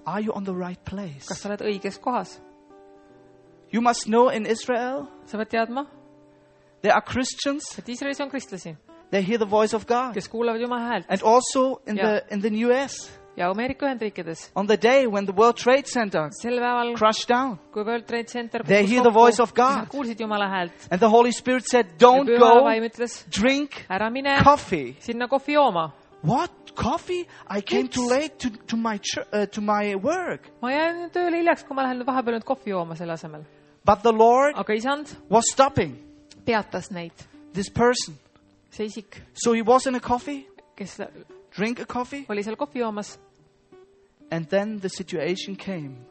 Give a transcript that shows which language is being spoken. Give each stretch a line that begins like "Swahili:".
English: are you on the right place?
Estonian: Kas sa oled õiges kohas?
English: You must know in Israel,
Estonian: sa pead teadma,
English: there are Christians,
Estonian: et Israelis on kristlasi,
English: they hear the voice of God,
Estonian: kes kuulevad Jumala häält,
English: and also in the US,
Estonian: ja Ameerika Ühendriikides.
English: On the day when the World Trade Center
Estonian: päeval,
English: crashed down,
Estonian: kui World Trade Center
English: they hear the voice of God.
Estonian: Kuulsid Jumala häält.
English: And the Holy Spirit said, don't go,
Estonian: ütles,
English: drink
Estonian: ära mine
English: coffee.
Estonian: Sinna kohvi jooma.
English: What? Coffee? I came too late to my work.
Estonian: Ma jään tööle hiljaks, kui ma lähen vahepeal nüüd kohvi jooma selle asemel.
English: But the Lord
Estonian: aga isand
English: was stopping
Estonian: peatas neid.
English: This person.
Estonian: See isik.
English: So he was in a coffee?
Estonian: Kes...
English: Drink a coffee.
Estonian: Oli seal kohvi joomas.
English: And then the situation came.